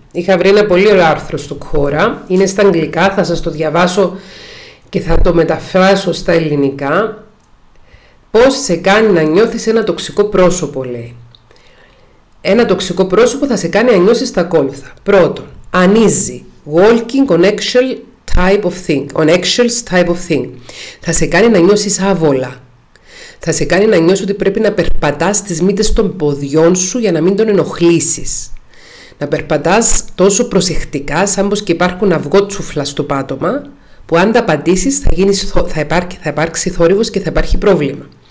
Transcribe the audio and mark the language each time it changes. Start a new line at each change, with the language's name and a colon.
Greek: Είχα βρει ένα πολύ ωραίο άρθρο στο Quora, είναι στα αγγλικά, θα σας το διαβάσω και θα το μεταφράσω στα ελληνικά. Πώς σε κάνει να νιώθεις ένα τοξικό πρόσωπο, λέει. Ένα τοξικό πρόσωπο θα σε κάνει να νιώσεις τα ακόλουθα.
English: Πρώτον, uneasy, walking on eggshell type of thing, on eggshells type of thing.
Greek: Θα σε κάνει να νιώσεις άβολα. Θα σε κάνει να νιώσεις ότι πρέπει να περπατάς τις μύτες των ποδιών σου για να μην τον ενοχλήσεις. Να περπατάς τόσο προσεκτικά, σαν πως και υπάρχουν αυγό τσουφλά στο πάτωμα, που αν τα απαντήσεις θα υπάρξει θόρυβος και θα υπάρχει πρόβλημα.